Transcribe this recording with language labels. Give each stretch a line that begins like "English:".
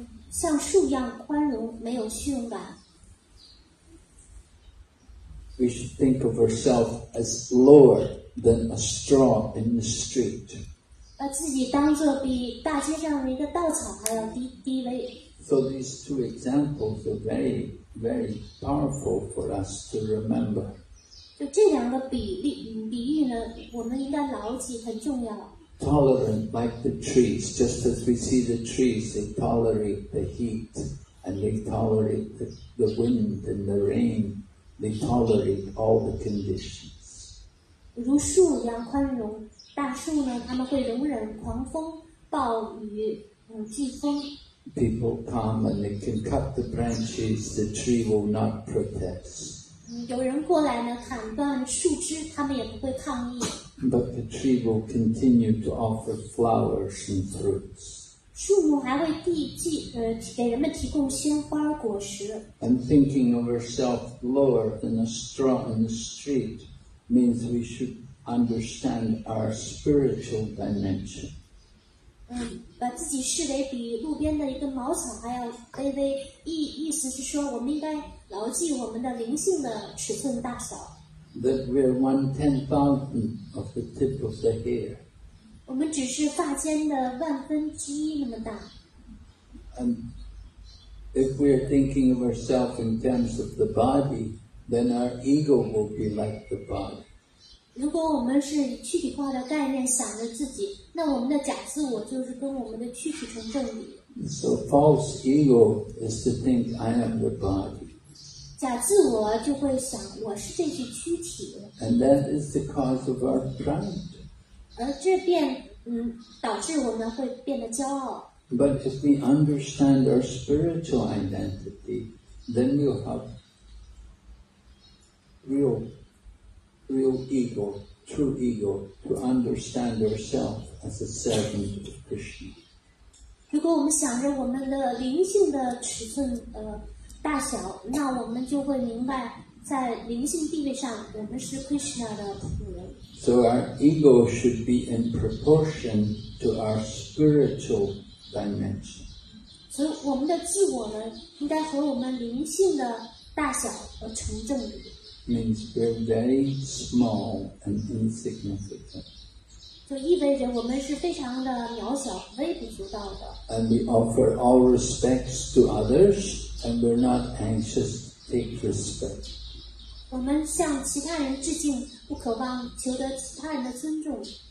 Chinese: 像树一样宽容，没有虚荣感。
English: We should think of ourselves as lower than a straw in the street.
Chinese: 把自己当作比大街上的一个稻草还要低微。
English: So these two examples are very, very powerful for us to remember.
Chinese: 就这两个比喻呢，我们应该牢记，很重要。
English: Tolerant like the trees, just as we see the trees, they tolerate the heat, and they tolerate the wind and the rain, they tolerate all the conditions.
Chinese: 如树一样宽容，大树呢，他们会容忍狂风、暴雨、飓风。
English: People come and they can cut the branches, the tree will not protest.
Chinese: 有人过来呢，砍断树枝，他们也不会抗议。
English: But the tree will continue to offer flowers and fruits.
Chinese: 树木还会给人们提供鲜花果实。
English: And thinking of ourselves lower than a straw in the street means we should understand our spiritual dimension.
Chinese: 把自己视为比路边的一根茅草还要卑微，意思是说，我们应该牢记我们的灵性的尺寸大小。
English: That we're 1/10,000 of the tip of the hair.
Chinese: 我们只是发尖的万分之一那么大。
English: And if we're thinking of ourselves in terms of the body, then our ego will be like the body.
Chinese: 如果我们是以躯体化的概念想着自己，那我们的假自我就是跟我们的躯体成正比。
English: So false ego is to think I am the body.
Chinese: 假自我就会想我是这具躯体。
English: And that is the cause of our pride.
Chinese: 而这便导致我们会变得骄傲。
English: But if we understand our spiritual identity, then we'll have real ego, true ego, to understand ourselves as a servant of Krishna.
Chinese: 如果我们想着我们的灵性的尺寸大小，那我们就会明白，在灵性地位上，我们是 Krishna 的仆人。
English: So our ego should be in proportion to our spiritual dimension.
Chinese: 所以我们的自我呢，应该和我们灵性的大小而成正比。
English: Means we're very small and insignificant.
Chinese: 就意味着我们是非常的渺小、微不足道的。
English: And we offer all respects to others, and we're not anxious to take respect.
Chinese: 我们向其他人致敬，不渴望求得其他人的尊重。